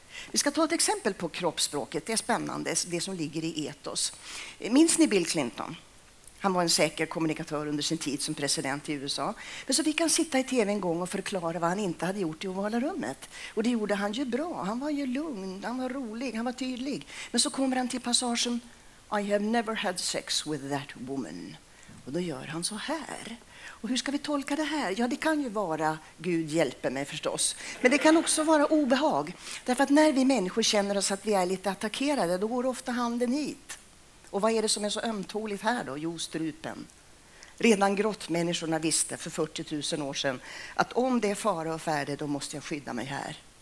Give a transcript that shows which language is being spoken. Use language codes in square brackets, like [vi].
[sv] Vi ska ta ett exempel på kroppsspråket. Det är spännande, det som ligger i etos. Minns ni Bill Clinton? Han var en säker kommunikatör under sin tid som president i USA. Men så fick han sitta i tv en gång och förklara vad han inte hade gjort i ovala rummet. Och det gjorde han ju bra. Han var ju lugn, han var rolig, han var tydlig. Men så kommer han till passagen: [en] I have never had sex with that woman. [sv] Och då gör han så här. Och hur ska vi tolka det här? Ja, det kan ju vara Gud hjälper mig förstås. Men det kan också vara obehag. Därför att när vi människor känner oss att vi är lite attackerade, då går ofta handen hit. Och vad är det som är så ömtåligt här då? Jo, strupen. Redan grottmänniskorna visste för 40 000 år sedan att om det är fara och färde, då måste jag skydda mig här.